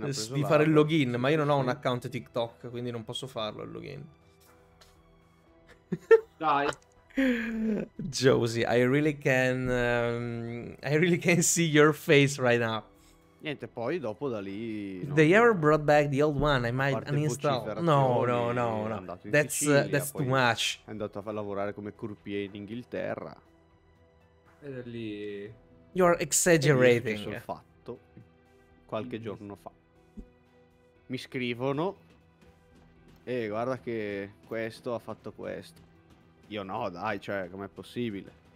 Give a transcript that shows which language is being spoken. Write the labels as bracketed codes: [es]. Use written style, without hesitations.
[it] di fare il login, ma io non ho un account TikTok, quindi non posso farlo il login. Dai. [en] Josie, I really can see your face right now. [it] Niente, poi dopo da lì no. [en] They ever brought back the old one, I might uninstall. No. That's [it] Sicilia, [en] that's too much. [it] È andato a lavorare come croupier in Inghilterra. Ed è lì. [en] You're exaggerating. [it] Sono fatto qualche giorno fa. Mi scrivono. guarda che questo ha fatto questo. Io no, dai, cioè, com'è possibile?